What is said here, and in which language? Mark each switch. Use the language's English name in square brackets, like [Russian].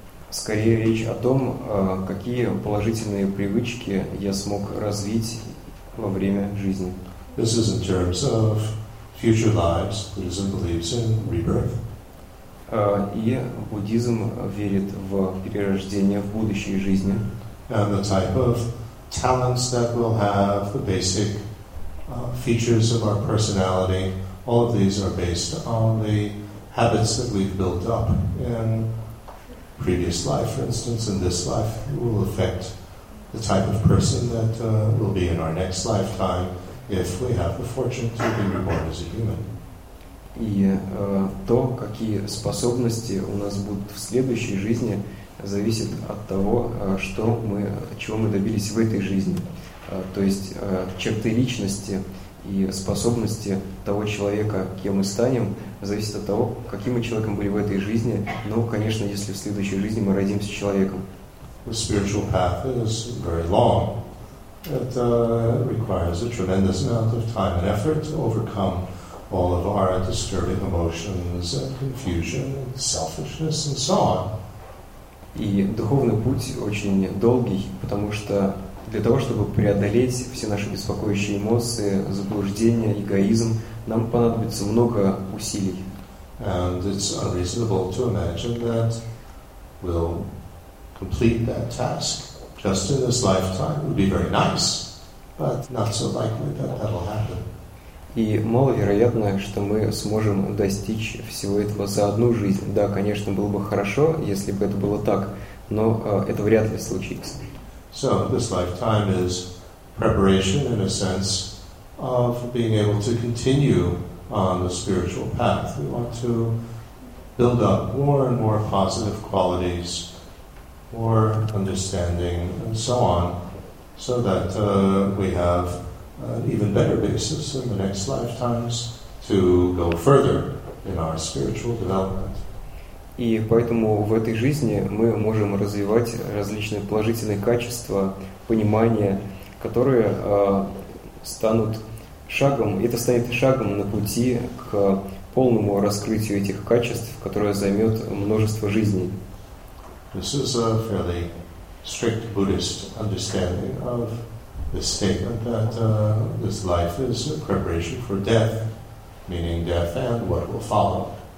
[Russian] Скорее речь о том, какие положительные привычки я смог развить во время жизни. [English] This is in terms of future lives. Buddhism believes in rebirth. [Russian] И буддизм верит в перерождение в будущей жизни. [English] And the type of talents that we'll have, the basic features of our personality, all of these are based on the habits that we've built up in previous life, for instance, in this life. It will affect the type of person that will be in our next lifetime if we have the fortune to be reborn as a human. [Russian] И то, какие способности у нас будут в следующей жизни, зависит от того, что мы, чего мы добились в этой жизни. То есть черты личности и способности того человека, кем мы станем, зависит от того, каким мы человеком были в этой жизни. Но, конечно, если в следующей жизни мы родимся человеком. [English] The spiritual path is very long. It requires a tremendous amount of time and effort to overcome all of our disturbing emotions and confusion and selfishness and so on. [Russian] И духовный путь очень долгий, потому что для того, чтобы преодолеть все наши беспокоящие эмоции, заблуждения, эгоизм, нам понадобится много усилий. [English] And it's unreasonable to imagine that we'll complete that task just in this lifetime. It would be very nice, but not so likely that that will happen. [Russian] И маловероятно, что мы сможем достичь всего этого за одну жизнь. Да, конечно, было бы хорошо, если бы это было так, но это вряд ли случится. [English] So this lifetime is preparation, in a sense, of being able to continue on the spiritual path. We want to build up more and more positive qualities, more understanding, and so on, so that we have an even better basis in the next lifetimes to go further in our spiritual development. [Russian] И поэтому в этой жизни мы можем развивать различные положительные качества, понимание, которые станут шагом, это станет шагом на пути к полному раскрытию этих качеств, которое займет множество жизней. [English] This is a fairly strict Buddhist understanding of the statement that this life is a preparation for death, meaning death and what will follow.